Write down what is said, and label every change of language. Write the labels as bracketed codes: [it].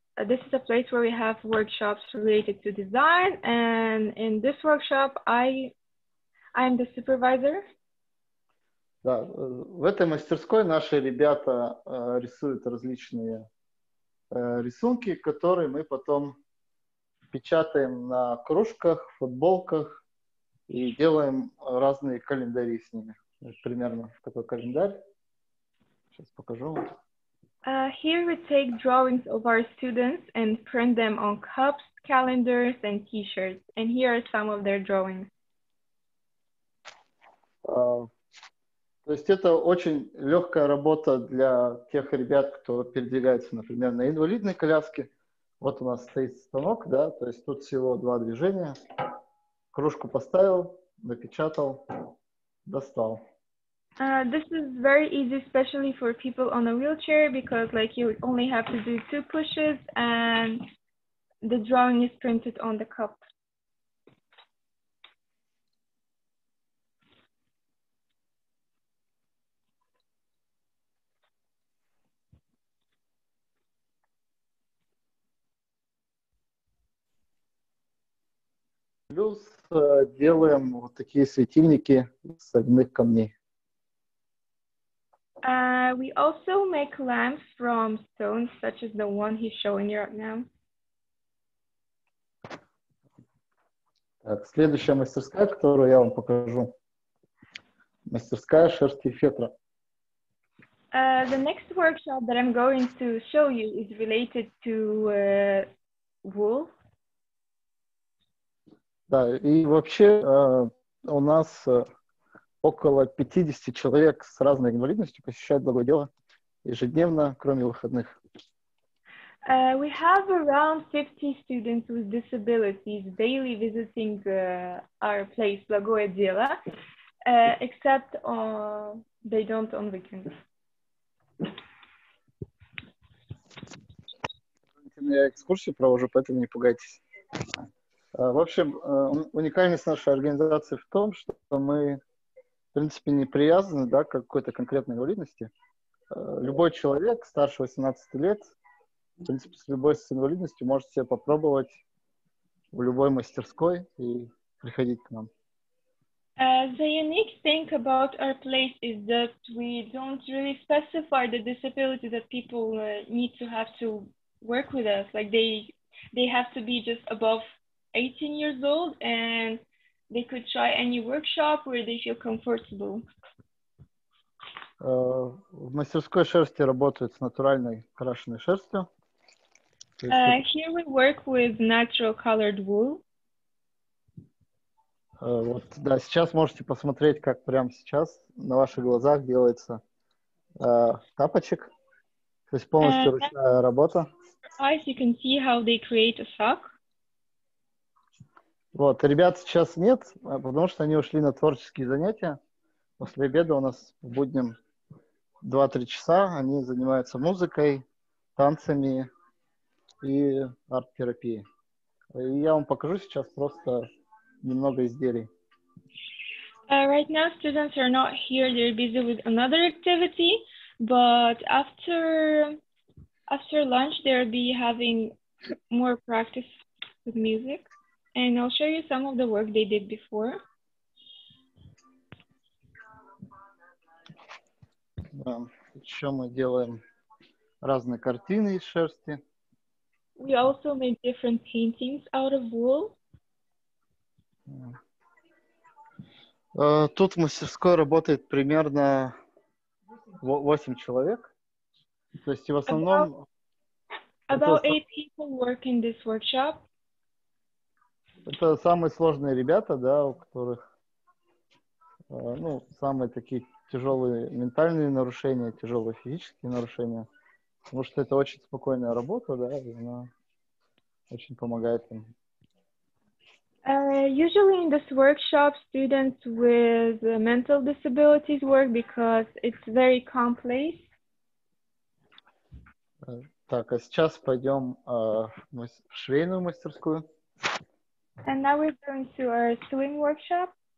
[en] This is a place where we have workshops related to design, and in this workshop I'm the supervisor. [ru] Да, в этой мастерской наши ребята рисуют различные рисунки, которые мы потом печатаем на кружках, футболках и делаем разные календари с ними. Примерно такой календарь. Сейчас покажу. [en] Here we take drawings of our students and print them on cups, calendars and t-shirts. And here are some of their drawings. [ru] То есть это очень легкая работа для тех ребят, кто передвигается, например, на инвалидной коляске. Вот у нас стоит станок, да, то есть тут всего 2 движения. Кружку поставил, напечатал, достал. [en] This is very easy, especially for people on a wheelchair, because like you only have to do 2 pushes and the drawing is printed on the cup. [ru] плюс делаем вот такие светильники с огненных камней. [en] We also make lamps from stones, such as the one he's showing you right now. [ru] Так, следующая мастерская, которую я вам покажу. Мастерская шерсти фетра. [en] The next workshop that I'm going to show you is related to wool. [ru] Да, и вообще у нас около 50 человек с разной инвалидностью посещают Благое Дело ежедневно, кроме выходных. [en] We have around 50 students with disabilities daily visiting our place, Благое Дело, except they don't on weekends. [ru] Я экскурсию провожу, поэтому не пугайтесь. В общем, уникальность нашей организации в том, что мы, в принципе, не привязаны, да, к какой-то конкретной инвалидности. Любой человек старше 18 лет, в принципе, с любой с инвалидностью может себе попробовать в любой мастерской и приходить к нам. [en] The unique thing about our place is that we don't really specify the disability that people need to have to work with us. Like they have to be just above 18 years old, and they could try any workshop where they feel comfortable. [ru] В мастерской шерсти работают с натуральной крашеной шерстью. [en] Here we work with natural colored wool. [ru] Вот, да, сейчас можете посмотреть, как прямо сейчас на ваших глазах делается тапочек. То есть полностью ручная работа. [en] Eyes, you can see how they create a sock. [ru] Вот, ребят сейчас нет, потому что они ушли на творческие занятия. После обеда у нас в будням 2-3 часа. Они занимаются музыкой, танцами и арт-терапией. И я вам покажу сейчас просто немного изделий. [en] Right now students are not here. They're busy with another activity. But after lunch, they'll be having more practice with music. And I'll show you some of the work they did before. [ru] Еще мы делаем разные картины из шерсти. [en] We also made different paintings out of wool. [ru] Тут в мастерской работает примерно 8 человек. То есть в основном... [en] About 8 people work in this workshop. [ru] Это самые сложные ребята, да, у которых ну, самые такие тяжелые ментальные нарушения, тяжелые физические нарушения. Потому что это очень спокойная работа, да, и она очень помогает им. [en] Usually in this workshop students with mental disabilities work because it's very complex. [ru] Так, а сейчас пойдем в швейную мастерскую. [en] And now we're going to our sewing workshop.